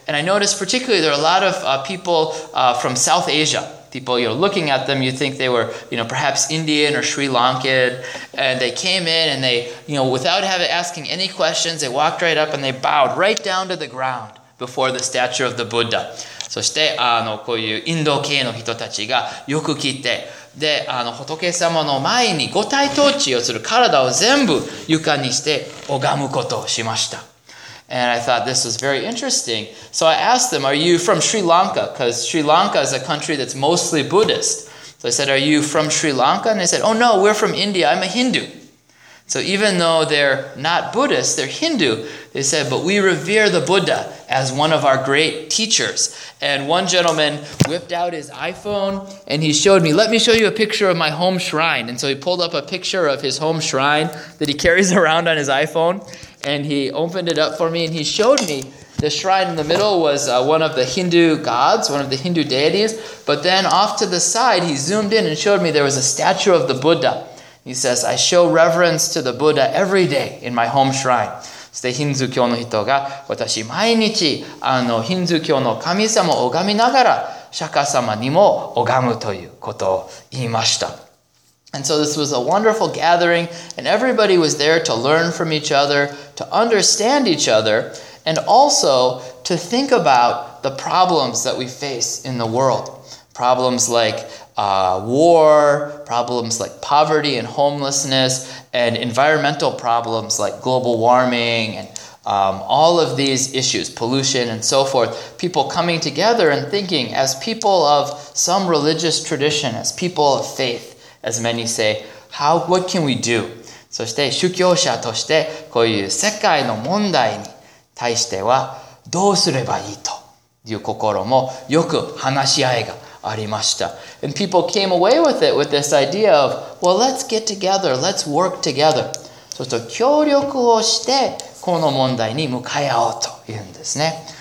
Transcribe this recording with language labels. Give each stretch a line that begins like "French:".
English: And I noticed particularly there are a lot of people from South Asia. People, looking at them, you think they were, perhaps Indian or Sri Lankan. And they came in and they, without asking any questions, they walked right up and they bowed right down to the ground before the statue of the Buddha.
Japanese: そしてこういうインド系の人たちがよく来て、で、仏様の前に五体投地をする体を全部床にして拝むことをしました。
English: And I thought this was very interesting. So I asked them, are you from Sri Lanka? Because Sri Lanka is a country that's mostly Buddhist. So I said, are you from Sri Lanka? And they said, oh no, we're from India. I'm a Hindu. So even though they're not Buddhist, they're Hindu, they said, but we revere the Buddha as one of our great teachers. And one gentleman whipped out his iPhone and he showed me, let me show you a picture of my home shrine. And so he pulled up a picture of his home shrine that he carries around on his iPhone. And he opened it up for me and he showed me the shrine in the middle was one of the Hindu gods, one of the Hindu deities. But then off to the side, he zoomed in and showed me there was a statue of the Buddha. He says, I show reverence to the Buddha every day in my home shrine.
Japanese: そしてヒンズー教の人が、私毎日ヒンズー教の神様を拝みながら釈迦様にも拝むということを言いました。
English: And so this was a wonderful gathering, and everybody was there to learn from each other, to understand each other, and also to think about the problems that we face in the world. Problems like war, problems like poverty and homelessness, and environmental problems like global warming, and all of these issues, pollution and so forth. People coming together and thinking as people of some religious tradition, as people of faith. As many say, how, what can we do?
Japanese: そして宗教者としてこういう世界の問題に対してはどうすればいいという心もよく話し合いがありました。
English: And people came away with it, with this idea of, well, let's get together, let's work together.
Japanese: そして協力をしてこの問題に向かい合おうというんですね。